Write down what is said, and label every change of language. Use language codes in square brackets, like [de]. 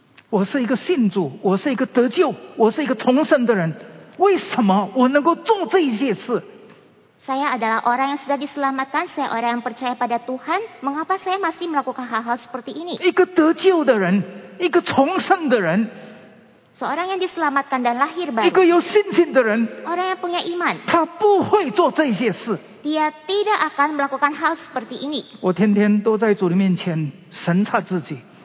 [zh] 我是一个信主, 我是一个得救, 我是一个重生的人, 为什么我能够做这些事? [id] Saya adalah orang yang sudah diselamatkan, saya orang yang percaya pada Tuhan. Mengapa saya masih melakukan hal-hal seperti ini? [zh] 一个得救的人, 一个重生的人, [id] seorang yang diselamatkan dan lahir baru. [zh] 一个有信心的人, [id] orang yang punya iman. [zh] 他不会做这些事, [id] dia tidak akan melakukan hal seperti ini. [zh] 我天天都在主的面前审查自己,